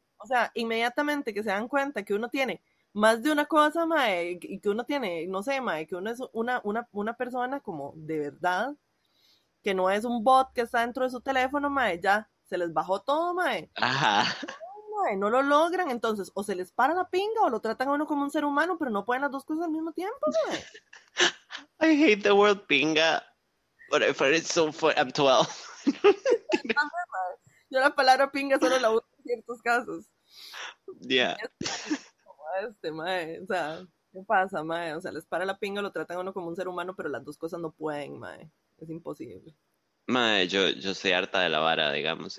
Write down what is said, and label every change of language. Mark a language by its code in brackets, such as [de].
[es] O sea, inmediatamente que se dan cuenta que uno tiene más de una cosa, mae, y que uno tiene, no sé, mae, que uno es una persona como de verdad, que no es un bot que está dentro de su teléfono, mae, ya se les bajó todo, mae. Mae, no lo logran, entonces o se les para la pinga o lo tratan a uno como un ser humano, pero no pueden las dos cosas al mismo tiempo, mae. [en] Hate the word pinga, but I find it so funny. I'm 12. [es] Yo la palabra pinga solo la uso en ciertos casos. Mae. O sea, ¿qué pasa, mae? O sea, les para la pinga, lo tratan a uno como un ser humano, pero las dos cosas no pueden, mae. Es imposible. Mae, yo soy harta de la vara, digamos.